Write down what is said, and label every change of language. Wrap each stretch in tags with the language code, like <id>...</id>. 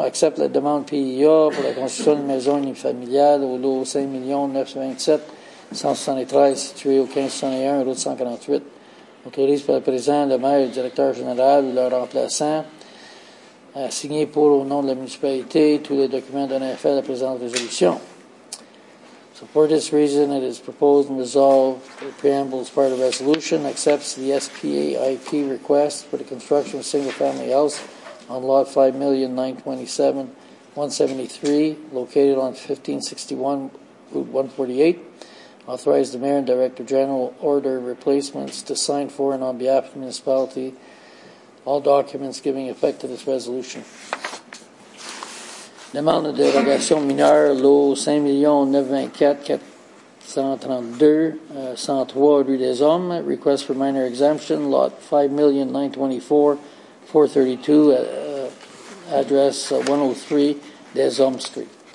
<fr>Accepte la demande PIA pour la construction d'une maison unifamiliale au lot 5,927,173 située au 1501, route 148. Autorise par le président, le maire et le directeur général ou leur remplaçant. Signé pour au nom de la municipalité tous les documents donnés à faire la présente résolution.</fr> <en>So for this reason, it is proposed and resolved the preamble is part of the resolution, accepts the SPAIP request for the construction of a single-family house on lot 5,927,173, located on 1561 Route 148. Authorize the mayor and director general order replacements to sign for and on behalf of the municipality. All documents giving effect to this resolution.</en> <fr>Demande de dérogation mineure, lot 5,924,432, 103 rue des Hommes.</fr> <en>Request for minor exemption, lot 5,924,432, address 103 des Hommes Street.</en>